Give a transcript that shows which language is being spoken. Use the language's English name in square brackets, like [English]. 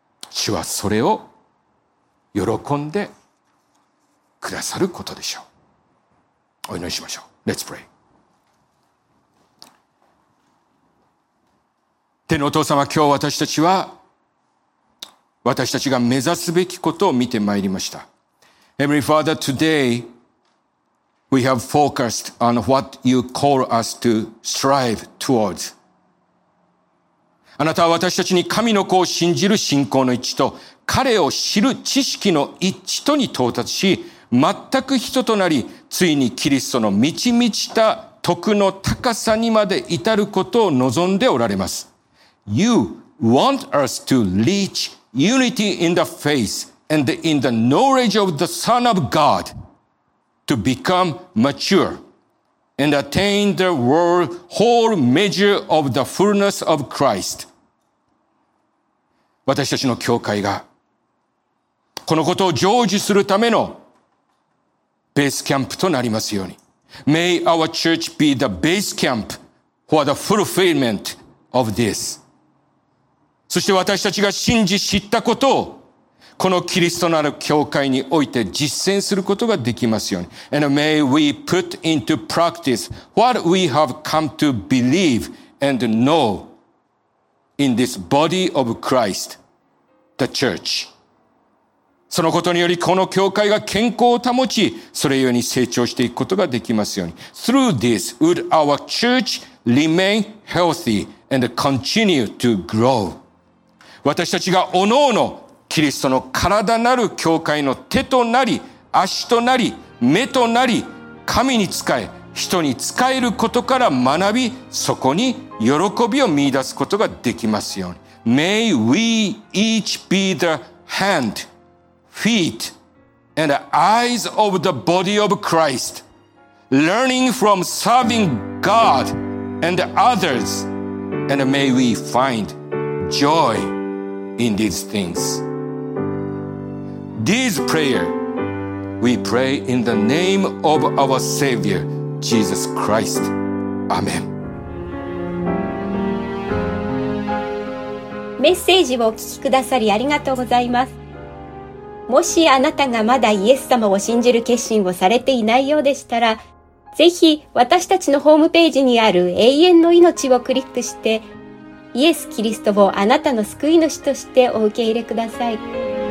[Japanese] 主はそれを喜んでくださることでしょう。お祈りしましょう。 [English] Let's pray。 [Japanese] 天のお父様、今日私たちは私たちが目指すべきことを見てまいりました。 [English] Heavenly Father, todayWe have focused on what you call us to strive towards. [Japanese] あなたは私たちに神の子を信じる信仰の一致と彼を知る知識の一致とに到達し、全く人となり、ついにキリストの満ち満ちた徳の高さにまで至ることを望んでおられます。 [English] You want us to reach unity in the faith and in the knowledge of the Son of God. To become mature and attain the whole measure of the fullness of Christ. [Japanese] 私たちの教会がこのことを成就するためのベースキャンプとなりますように。 [English] May our church be the base camp for the fulfillment of this. [Japanese] そして私たちが信じ知ったことをこのキリストのある教会において実践することができますように。 [English] And may we put into practice what we have come to believe and know in this body of Christ, the church. [Japanese] そのことによりこの教会が健康を保ち、それゆえに成長していくことができますように。 [English] Through this, would our church remain healthy and continue to grow? [Japanese] 私たちがおのおのキリストの体なる教会の手となり、足となり、目となり、神に仕え、人に仕えることから学び、そこに喜びを見出すことができますように。 [English] May we each be the hand, feet, and eyes of the body of Christ, learning from serving God and others, and may we find joy in these things. This prayer, we pray in the name of our Savior, Jesus Christ. Amen. [Japanese] メッセージをお聞きくださりありがとうございます。もしあなたがまだイエス様を信じる決心をされていないようでしたら、ぜひ私たちのホームページにある永遠の命をクリックして、イエス・キリストをあなたの救い主としてお受け入れください。